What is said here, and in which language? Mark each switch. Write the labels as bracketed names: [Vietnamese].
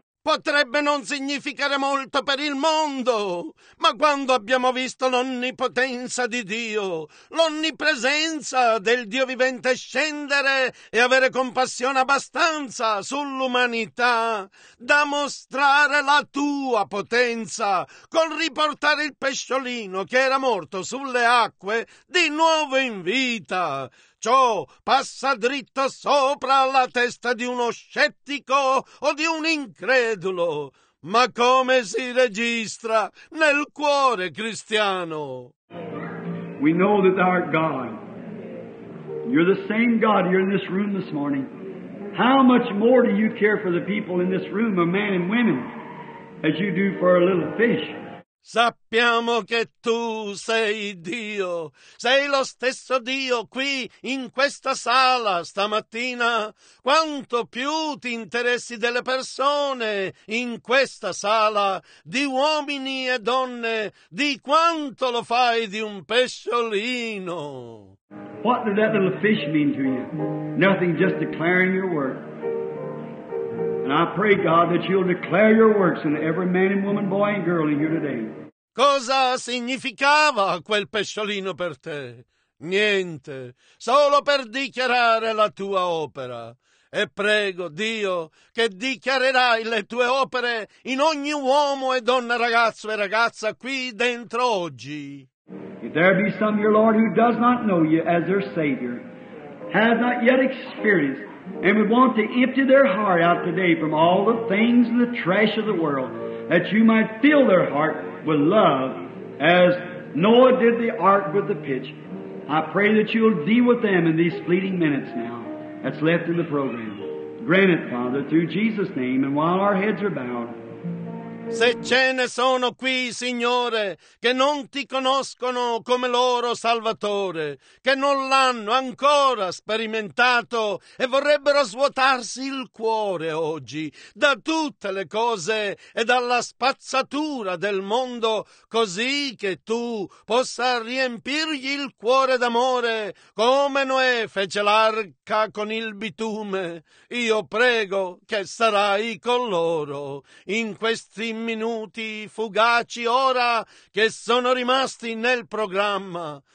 [Italian] Potrebbe non significare molto per il mondo, ma quando abbiamo visto l'onnipotenza di Dio, l'onnipresenza del Dio vivente scendere e avere compassione abbastanza sull'umanità, da mostrare la tua potenza col riportare il pesciolino che era morto sulle acque di nuovo in vita. Ciò passa dritto sopra la testa di uno scettico o di un incredulo, ma come si registra nel cuore cristiano? [English] We know that thou art God. You're the same God here in this room this morning. How much more do you care for the people in this room, of men and women, as you do for a little fish? [Italian] Sappiamo che tu sei Dio, sei lo stesso Dio qui in questa sala stamattina, quanto più ti interessi delle persone in questa sala, di uomini e donne, di quanto lo fai di un pesciolino. [English] What did that little fish mean to you? Nothing, just declaring your work. And I pray, God, that you'll declare your works in every man and woman, boy and girl in here today. [Italian] Cosa significava quel pesciolino per te? Niente, solo per dichiarare la tua opera. E prego, Dio, che dichiarerai le tue opere in ogni uomo e donna, ragazzo e ragazza qui dentro oggi. [English] If there be some, your Lord, who does not know you as their Savior, has not yet experienced, and would want to empty their heart out today from all the things and the trash of the world, that you might fill their heart with love, as Noah did the ark with the pitch. I pray that you'll deal with them in these fleeting minutes now that's left in the program. Grant it, Father, through Jesus' name, and while our heads are bowed. [Italian] Se ce ne sono qui, Signore, che non ti conoscono come loro Salvatore, che non l'hanno ancora sperimentato e vorrebbero svuotarsi il cuore oggi da tutte le cose e dalla spazzatura del mondo, così che tu possa riempirgli il cuore d'amore come Noè fece l'arca con il bitume, io prego che sarai con loro in questi minuti fugaci ora che sono rimasti nel programma.